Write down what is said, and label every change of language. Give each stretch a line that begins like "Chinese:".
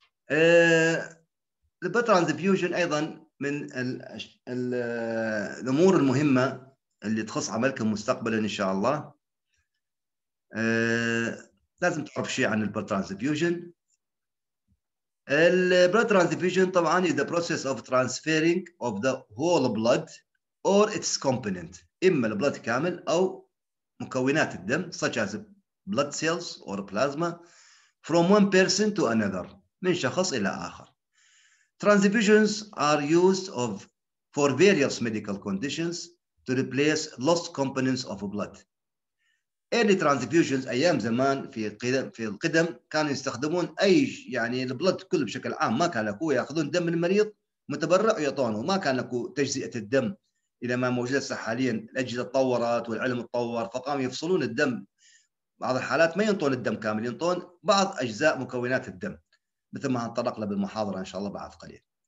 Arabic: البلد ترانزفيوجن أيضا من الأمور المهمة اللي تخص عملكم مستقبلا إن شاء الله. لازم تعرف شيء عن البلد ترانزفيوجن.
English: البلد ترانزفيوجن طبعا is the process of transferring of the whole blood or its component،
Arabic: إما البلد كامل أو مكونات الدم
English: such as blood cells or plasma from one person to another،
Arabic: من شخص إلى آخر.
English: Transfusions are used of for various medical conditions to replace lost components of blood.
Arabic: Early transfusions أيام زمان في القدم كانوا يستخدمون أي يعني البلد كل بشكل عام، ما كان أكو يأخذون دم المريض متبرع ويعطونه، ما كان أكو تجزئة الدم إلى ما موجود هسه حاليا. الأجهزة تطورت والعلم تطور، فقاموا يفصلون الدم، بعض الحالات ما ينطون الدم كامل، ينطون بعض أجزاء مكونات الدم مثل ما هنطرق له بالمحاضرة إن شاء الله بعد قليل.